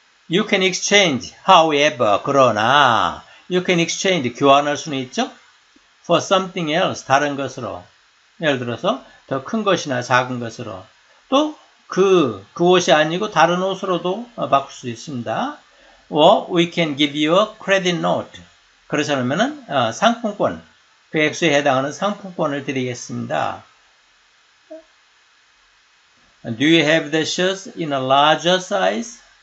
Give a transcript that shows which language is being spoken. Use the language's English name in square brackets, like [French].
[English] You can exchange, however, [Korean] 그러나, [English] you can exchange, [Korean] 교환할 수는 있죠? [English] For something else, [Korean] 다른 것으로. 예를 들어서, 더 큰 것이나 작은 것으로. 또, 그 옷이 아니고 다른 옷으로도 바꿀 수 있습니다. [English] Or we can give you a credit note. [Korean] 그러지 않으면, 상품권, 그 액수에 해당하는 상품권을 드리겠습니다. [English] Do you have the shirts in a larger size?